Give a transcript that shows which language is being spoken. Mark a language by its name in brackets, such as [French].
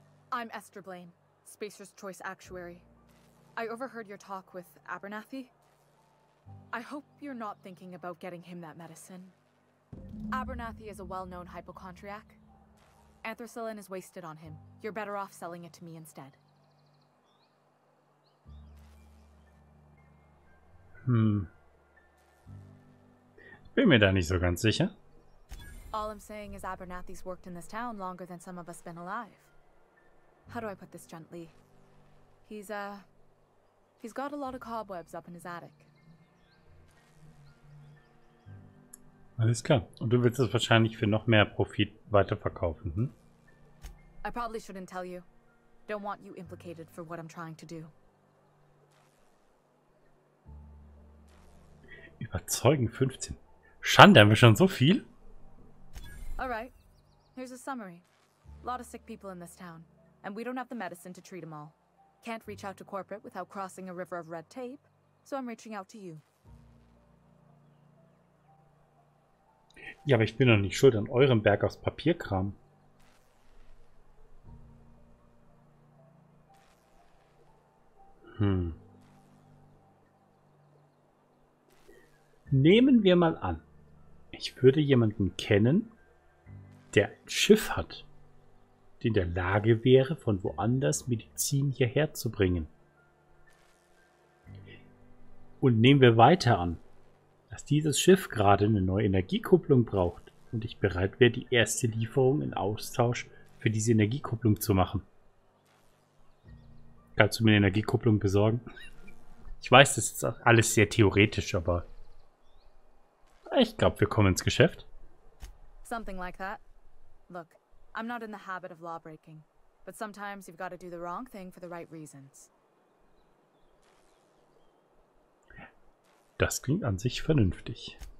[English] I'm Esther Blaine, Spacer's Choice Actuary. I overheard your talk with Abernathy. I hope you're not thinking about getting him that medicine. Abernathy is a well-known hypochondriac. Anthracycline is wasted on him. You're better off selling it to me instead. [German] Bin mir da nicht so ganz sicher. [English] All I'm saying is Abernathy's worked in this town longer than some of us been alive. How do I put this gently? He's got a lot of cobwebs up in his attic. [German] Alles klar. Und du willst es wahrscheinlich für noch mehr Profit weiterverkaufen, hm? [English] I probably shouldn't tell you. Don't want you implicated for what I'm trying to do. [German] Überzeugen 15. Schande, haben wir schon so viel? [English] Alright, here's a summary. A lot of sick people in this town, and we don't have the medicine to treat them all. Can't reach out to corporate without crossing a river of red tape, so I'm reaching out to you. [German] Ja, aber ich bin doch nicht schuld an eurem Berg aus Papierkram. Nehmen wir mal an, ich würde jemanden kennen, der ein Schiff hat, die in der Lage wäre, von woanders Medizin hierher zu bringen. Und nehmen wir weiter an, dass dieses Schiff gerade eine neue Energiekupplung braucht und ich bereit wäre, die erste Lieferung in Austausch für diese Energiekupplung zu machen. Kannst du mir eine Energiekupplung besorgen? Ich weiß, das ist alles sehr theoretisch, aber ich glaube, wir kommen ins Geschäft. [English] Something like that. Look, I'm not in the habit of lawbreaking, but sometimes you've got to do the wrong thing for the right reasons. [German] Das klingt an sich vernünftig.